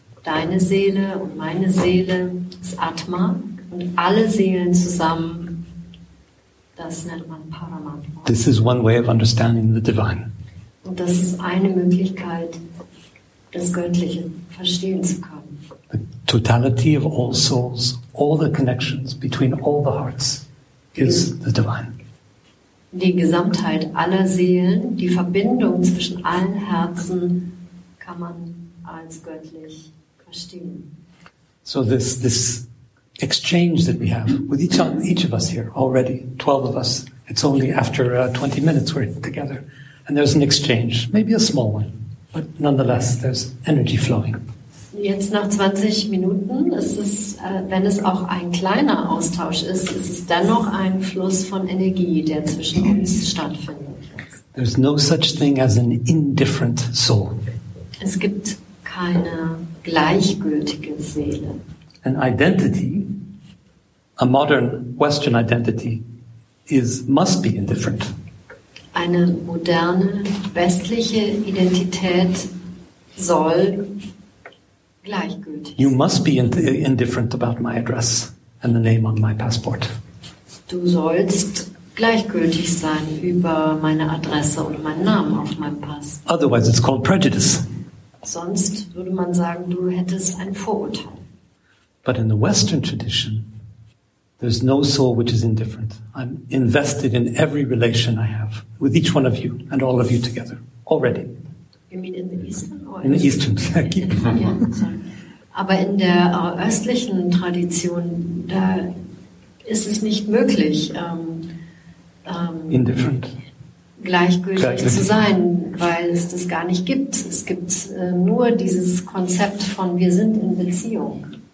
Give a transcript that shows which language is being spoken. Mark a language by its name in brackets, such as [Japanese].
[German] Deine Seele und meine Seele ist Atma und alle Seelen zusammen. Das nennt man Paramatma. [English] This is one way of understanding the divine. [German] Und das ist eine Möglichkeit, das Göttliche verstehen zu können. [English] The totality of all souls, all the connections between all the hearts is the divine. [German] Die Gesamtheit aller Seelen, die Verbindung zwischen allen Herzen kann man als göttlich verstehen. [English] So this exchange that we have with each of us here already, 12 of us, it's only after 20 minutes we're together, and there's an exchange, maybe a small one, but nonetheless there's energy flowing. [German] Jetzt nach 20 Minuten ist es, wenn es auch ein kleiner Austausch ist, ist es dennoch ein Fluss von Energie, der zwischen uns stattfindet. [English] There's no such thing as an indifferent soul. [German] Es gibt keine gleichgültige Seele. [English] An identity, a modern Western identity, must be indifferent. [German] Eine moderne westliche Identität soll gleichgültig sein. [English] You must be indifferent about my address and the name on my passport. [German] Du sollst gleichgültig sein über meine Adresse oder meinen Namen auf meinem Pass. [English] Otherwise, it's called prejudice. [German] Sonst würde man sagen, du hättest ein Vorurteil. [English] But in the Western tradition, there's no soul which is indifferent. I'm invested in every relation I have with each one of you and all of you together already. You mean in the Eastern? In the Eastern, thank you. [German] Aber in der östlichen Tradition, da ist es nicht möglich, [English] indifferent. [German] Gleichgültig zu sein, weil es das gar nicht gibt. Es gibt nur dieses Konzept von wir sind in Beziehung.